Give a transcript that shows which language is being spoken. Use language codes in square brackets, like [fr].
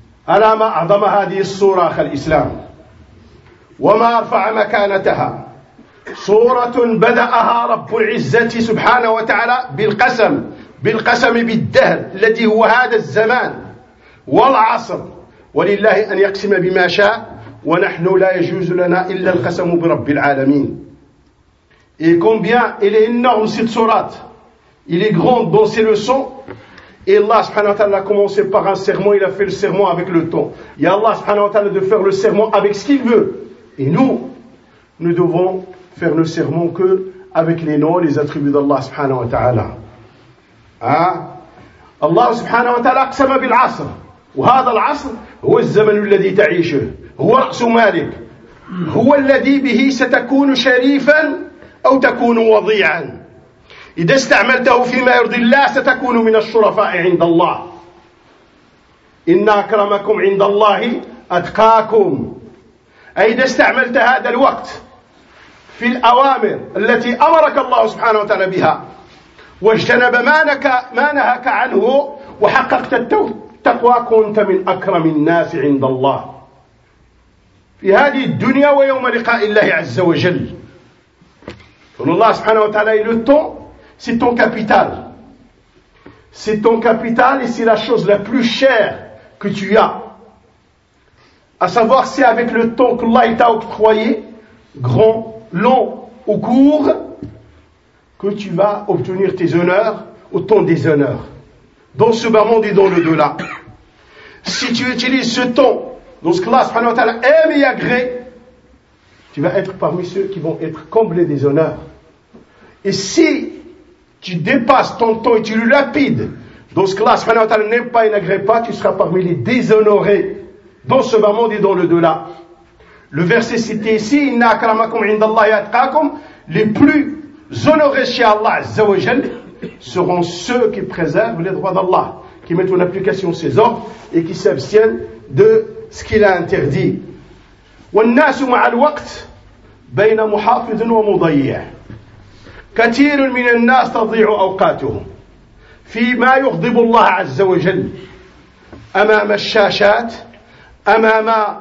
[ar] ألا ما أعظم هذه الصورة أخ الإسلام وما أرفع مكانتها صورة بدأها رب العزة سبحانه وتعالى بالقسم بالدهر الذي هو هذا الزمان والعصر ولله أن يقسم بما شاء ونحن لا يجوز لنا إلا القسم برب العالمين. [fr] Et combien il est énorme cette sourate. Il est grand dans ses leçons. Et Allah subhanahu wa ta'ala a commencé par un serment, il a fait le serment avec le temps. Et Allah subhanahu wa ta'ala de faire le serment avec ce qu'il veut. Et nous devons faire le serment que avec les noms, les attributs d'Allah subhanahu wa ta'ala. [ar] Hein? Allah subhanahu wa ta'ala aqsama bil asr. Wa hadha al asr huwa az-zamanu alladhi ta'ishu. Huwa ra'su malik. Huwa alladhi bihi satakunu sharifan. أو تكون وضيعا إذا استعملته فيما يرضي الله ستكون من الشرفاء عند الله إن أكرمكم عند الله أتقاكم أي إذا استعملت هذا الوقت في الأوامر التي أمرك الله سبحانه وتعالى بها واجتنب ما نهك عنه وحققت التقوى كنت من أكرم الناس عند الله في هذه الدنيا ويوم لقاء الله عز وجل. [fr] Allah subhanahu wa ta'ala, et le temps, c'est ton capital. C'est ton capital et c'est la chose la plus chère que tu as. À savoir, c'est avec le temps que Allah t'a octroyé, grand, long ou court, que tu vas obtenir tes honneurs ou ton déshonneur. Dans ce bas monde et dans le delà. Si tu utilises ce temps, dans ce que Allah subhanahu wa ta'ala aime et agrée, tu vas être parmi ceux qui vont être comblés des honneurs. Et si tu dépasses ton temps et tu le lapides, dans ce cas-là, subhanahu wa ta'ala n'aime pas et n'agrée pas, tu seras parmi les déshonorés dans ce bas monde et dans le delà. Le verset cité ici, [ar] inna akramakum indallahi atqakum, [fr] les plus honorés chez Allah azza wa jalla seront ceux qui préservent les droits d'Allah, qui mettent en application ses ordres et qui s'abstiennent de ce qu'il a interdit. [ar] والناس مع الوقت بين محافظ ومضيع كثير من الناس تضيع أوقاتهم فيما يغضب الله عز وجل أمام الشاشات أمام